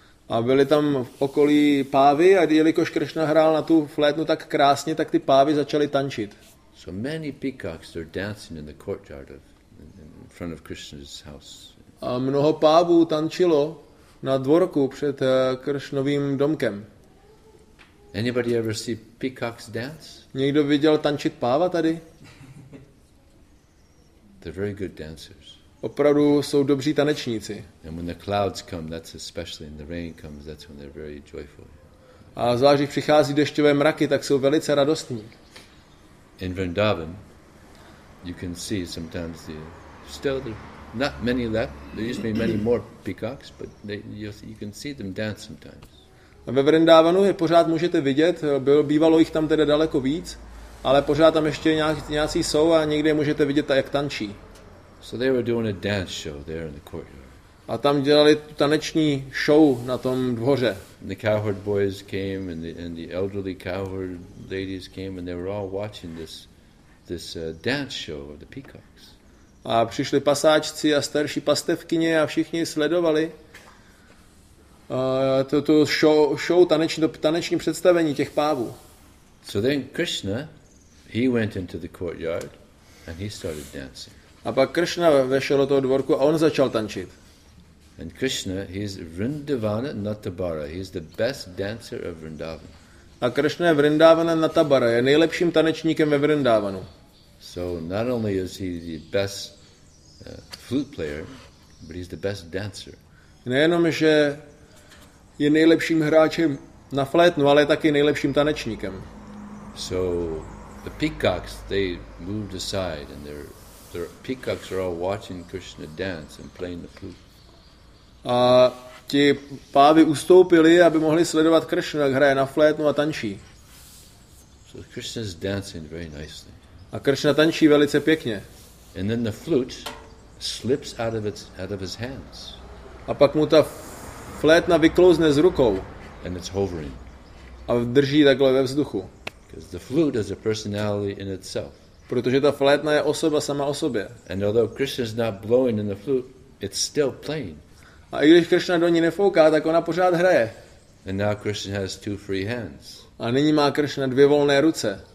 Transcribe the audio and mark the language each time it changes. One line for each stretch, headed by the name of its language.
Czech: A byli tam v okolí pávy a jelikož Krishna hrál na tu flétnu tak krásně, tak ty pávy začaly tančit.
English: So many peacocks are dancing in the courtyard in front of Krishna's house.
Czech: A mnoho pávů tančilo na dvorku před Krishnovým domkem.
English: Anybody ever see peacocks dance?
Czech: Někdo viděl tančit páva tady?
English: They're very good dancers.
Czech: Opravdu jsou dobří tanečníci.
English: And when the clouds come, that's especially when the rain comes, that's when they're very joyful.
Czech: A zvlášť, když přichází dešťové mraky, tak jsou velice radostní.
English: In Vrindavan, you can see sometimes the still the not many left. There used to be many more peacocks, but you can see them dance sometimes.
Czech: Ve Vrindavanu je pořád můžete vidět, bývalo jich tam teda daleko víc, ale pořád tam ještě nějací jsou a někde můžete vidět, jak tančí.
English: So they were doing a dance show there in the courtyard.
Czech: A tam dělali taneční show na tom dvoře.
English: And the cowherd boys came and the elderly cowherd ladies came and they were all watching this dance show of the peacocks.
Czech: A přišli pasáčci a starší pastevkyně a všichni sledovali to show taneční představení těch pávů.
English: So then Krishna, he went into the courtyard and he started dancing.
Czech: A pak Krishna vešel do toho dvorku a on začal tančit.
English: And Krishna, he's Vrindavana Natabara. He's the best dancer of Vrindavan.
Czech: A Krishna je Vrindavana Natabara, je nejlepším tanečníkem ve Vrindavanu.
English: So not only is he the best flute player, but he's the best dancer.
Czech: Nejenom, že je nejlepším hráčem na flétnu, ale je taky nejlepším tanečníkem.
English: So the peacocks, they moved aside and their peacocks are all watching Krishna dance and playing the flute.
Czech: A ti pávy ustoupili, aby mohli sledovat Krishnu, jak hraje na flétnu a tančí.
English: So Krishna is dancing very nicely.
Czech: A Krishna tančí velice pěkně.
English: And then the flute slips out of his hands.
Czech: A pak mu ta flétna vyklouzne z rukou.
English: And it's hovering.
Czech: A drží takhle ve vzduchu.
English: Because the flute has a personality in itself.
Czech: Protože ta flétna je osoba sama o sobě.
English: And although Krishna is not blowing in the flute, it's still playing.
Czech: A i když Krishna do ní nefouká, tak ona pořád hraje.
English: And now Krishna has two free hands.
Czech: A nyní má Krishna dvě volné ruce.